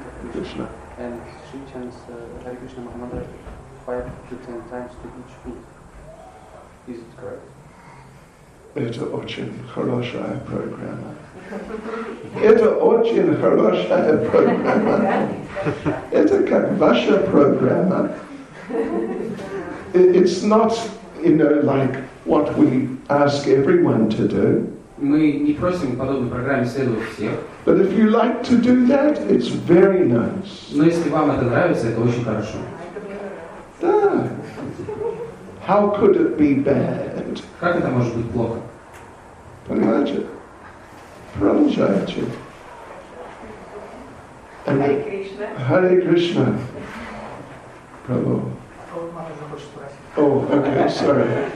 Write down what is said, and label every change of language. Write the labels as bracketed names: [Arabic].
[English] Krishna. And she chants Hare Krishna Mahamantra 5 to 10 times to each feet. Is it correct? [Russian] Это очень хорошая программа. Это очень хорошая программа. Это как ваша программа. [English] It's not, you know, like what we ask everyone to do. [Russian] Мы не просим подобной программе следовать всех. [English] But if you like to do that, it's very nice. [Russian] Но если вам это нравится, это очень хорошо. [English] Да. How could it be bad? [Russian] Как это может быть плохо? Понимаете? Продолжайте. [English] Hare Krishna. Hare Krishna. Prabhu. Oh, okay, sorry.